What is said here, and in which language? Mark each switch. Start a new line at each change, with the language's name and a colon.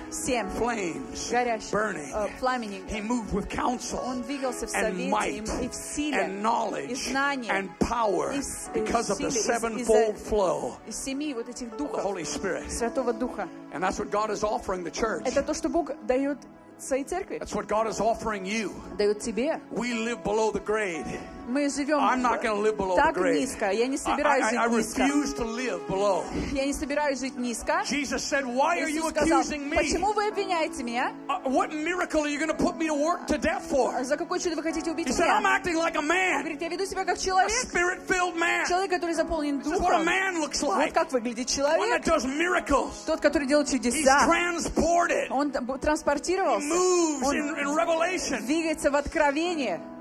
Russian: Семь.
English: Flames
Russian: горящих,
English: burning.
Russian: Пламени.
English: He moved with counsel
Russian: он двигался в
English: and
Russian: совете,
English: might
Russian: и в силе,
English: and knowledge
Russian: и знания,
English: and power because
Russian: силе,
English: of the sevenfold flow
Russian: из семи вот этих духов,
English: of the Holy Spirit.
Russian: Святого Духа.
English: And that's what God is offering the church.
Russian: Это то, что Бог дает своей церкви.
English: That's what God is offering you.
Russian: Дает тебе.
English: We live below the grade.
Russian: Мы живем так низко. Я не собираюсь жить низко. Я не собираюсь жить низко.
English: Jesus said, "Why are you accusing me?
Russian: Почему вы обвиняете меня?
English: What miracle are you going to put me to work to death for?
Russian: За какое чудо вы хотите убить меня?
English: He said, "I'm acting like a man.
Russian: Говорит, я веду себя как человек.
English: A spirit-filled man.
Russian: Человек, который заполнен духом.
English: What a man looks like.
Russian: Вот как выглядит человек.
English: One that does miracles.
Russian: Тот, который делает чудеса.
English: He's transported.
Russian: Он транспортировался.
English: He moves in revelation.
Russian: Двигается в откровении.